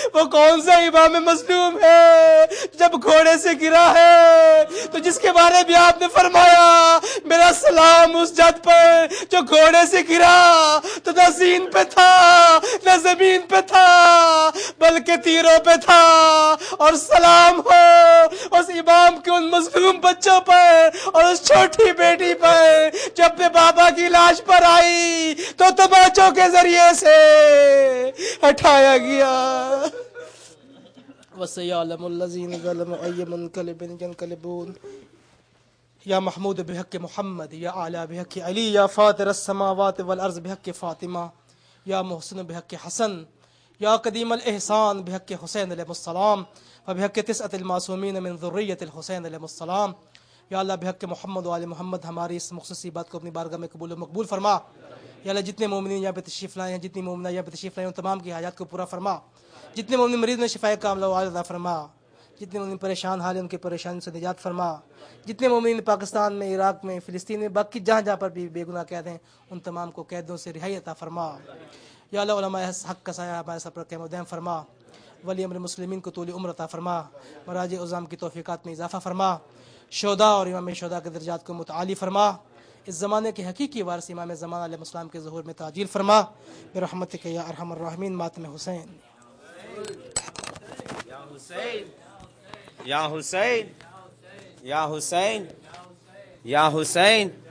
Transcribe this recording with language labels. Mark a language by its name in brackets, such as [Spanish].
[Urdu] وہ کون سا امام مظلوم ہے جب گھوڑے سے گرا ہے تو جس کے بارے میں آپ نے فرمایا میرا سلام اس جد پر جو گھوڑے سے گرا تو نہ زین پہ تھا نہ زمین پہ تھا بلکہ تیروں پہ تھا, اور سلام ہو اس امام کے ان مظلوم بچوں پر اور اس چھوٹی بیٹی پر جب اپنے بابا کی لاش پر آئی تو تماچوں کے ذریعے سے ہٹایا گیا. [Arabic] وسيعلم الذين ظلموا اي منقلب ينقلبون. يا محمود بحق محمد, يا اعلى بحق علي, يا فاطر السماوات والارض بحق فاطمه, یا محسن بحق حسن, یا قدیم الاحسان بحق حسین علیہ السلام, وبحق تسعۃ المعصومین من ذریۃ الحسین علیہ السلام. [Urdu] یا اللہ بحق محمد و آل محمد ہماری اس مخصوصی بات کو اپنی بارگاہ میں قبول و مقبول فرما. یا اللہ جتنے مومنین یہاں پہ تشریف لائے ہیں, جتنی مومنہ یہاں پہ تشریف لائے ہیں, تمام کی حاجات کو پورا فرما. جتنے مومن مریض میں شفائے کاملہ و عاجلہ فرما, جتنے مومن پریشان حال ہیں ان کی پریشانیوں سے نجات فرما, جتنے مومن پاکستان میں, عراق میں, فلسطین میں, باقی جہاں جہاں پر بھی بے گناہ قید ہیں ان تمام کو قیدوں سے رہائی عطا فرما. یا اللہ علماء حق کا سایہ ہمارے سب پر قائم و دائم فرما, ولی امر مسلمین کو طول عمر عطا فرما, مراجع عظام کی توفیقات میں اضافہ فرما, شہداء اور امام شہداء کے درجات کو متعالی فرما, اس زمانے کے حقیقی وارث امام زمانہ علیہ السلام کے ظہور میں تعجیل فرما. [Arabic] برحمتک یا ارحم الراحمین. [Urdu] ماتم حسین. [Arabic] یا حسین, یا حسین, یا حسین, یا حسین.